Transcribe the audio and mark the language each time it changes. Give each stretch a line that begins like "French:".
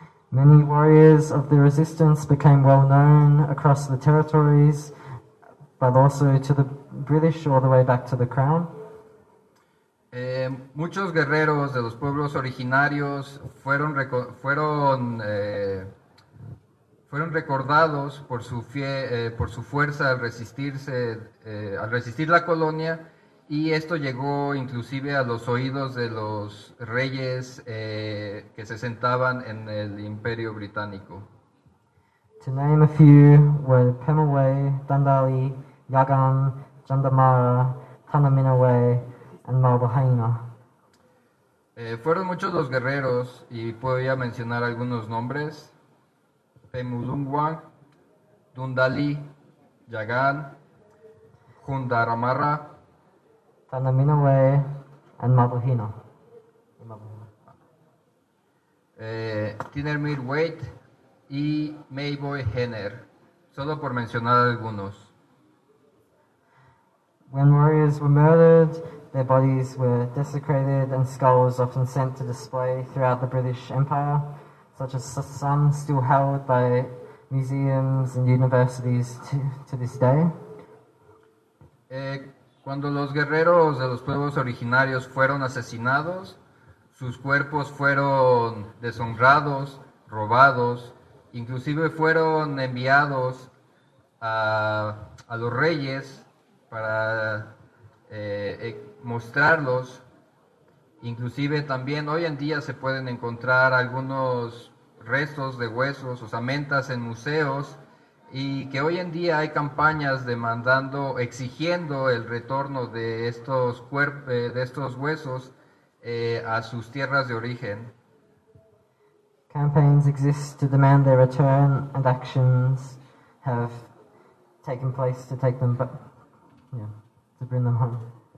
English: Many warriors of the resistance became well known across the territories, but also to the British all the way back to the crown.
Spanish: Muchos guerreros de los pueblos originarios fueron recordados por su fuerza al resistir la colonia, y esto llegó inclusive a los oídos de los reyes que se sentaban en el Imperio Británico.
English: To name a few were Pemulwuy, Dundali, Yagan, Jandamara, Tanaminawe, and Malbahaina.
Spanish: Fueron muchos los guerreros, y puedo ya mencionar algunos nombres: Pemulwuy, Dundali, Yagan, Jandamara,
English: Tanaminawe, and Malbahaina.
Spanish: Tinermir Waite y Mayboy Henner, solo por mencionar algunos.
English: When warriors were murdered, their bodies were desecrated and skulls often sent to display throughout the British Empire, such as some still held by museums and universities to this day.
Spanish: Cuando los guerreros de los pueblos originarios fueron asesinados, sus cuerpos fueron deshonrados, robados, inclusive fueron enviados a los reyes para mostrarlos. Inclusive también hoy en día se pueden encontrar algunos restos de huesos, osamentas en museos, y que hoy en día hay campañas demandando, exigiendo el retorno de estos cuerpos, de estos huesos, a sus tierras de origen.
English: Campaigns exist to demand their return, and actions have taken place to bring them home.